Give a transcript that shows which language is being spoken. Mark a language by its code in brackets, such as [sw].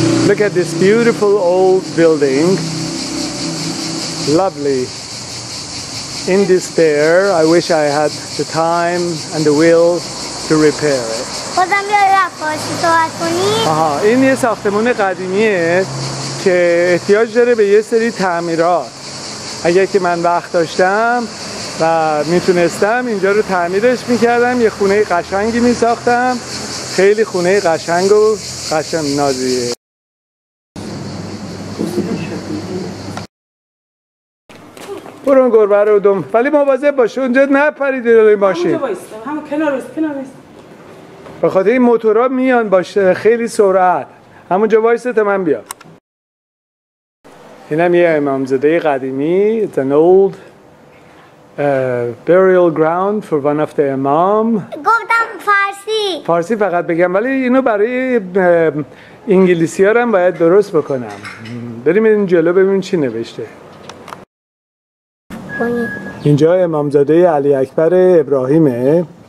[en] Look at this beautiful old building. Lovely. In despair, I wish I had the time and the will to repair it. [fa] خودم یه رفاش صحبت کنیم. آها، این یه ساختمان قدیمیه که احتیاج داره به یه سری تعمیرات. اگر که من وقت داشتم و میتونستم اینجا رو تعمیرش میکردم، یه خونه قشنگی میساختم. خیلی خونه قشنگ و قشنگ نازیه. برو اون گربه رو دوم، ولی مواظب باشه اونجا نپرید این ماشین. همونجا بایسته، همون کنار است. به خاطر این موتورا میان باشه خیلی سرعت. همونجا بایسته تا من بیام. اینم یه امامزاده قدیمی. [en] It's an old burial ground for one of the imam. [fa] گفتم فارسی. فارسی فقط بگم، ولی اینو برای انگلیسی ها هم باید درست بکنم. بریم این جلو ببینیم چی نوشته. اینجا امامزاده علی اکبر ابراهیمه.